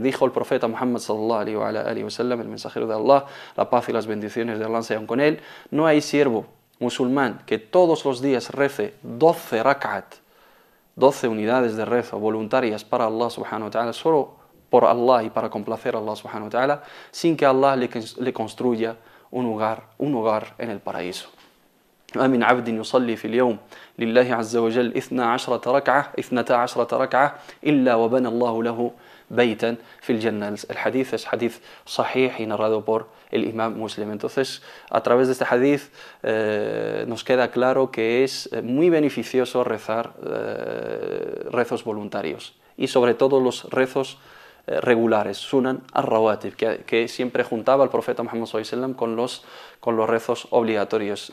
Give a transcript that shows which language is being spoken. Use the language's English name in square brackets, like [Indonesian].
[Spanish] Dijo el profeta Muhammad sallallahu alayhi wa sallam, el mensajero de Allah, la paz y las bendiciones de Allah sean con él, no hay siervo musulmán que todos los días rece 12 rak'at, 12 unidades de rezo voluntarias para Allah subhanahu wa ta'ala, solo por Allah y para complacer a Allah subhanahu wa ta'ala, sin que Allah le construya un hogar en el paraíso. [Arabic] أمن عبد يصلي في اليوم لله عز وجل 12 ركعة إلا وبنى الله له بيتا في الجنة. [Spanish] الحديث es [Arabic] حديث صحيح [Spanish] y narrado por el imam muslim. Entonces, a través de este hadith nos queda claro que es muy beneficioso rezar rezos voluntarios y sobre todo los rezos regulares, sunan al-rawatib, que siempre juntaba al profeta Muhammad sallallahu alayhi wa sallam con los rezos obligatorios.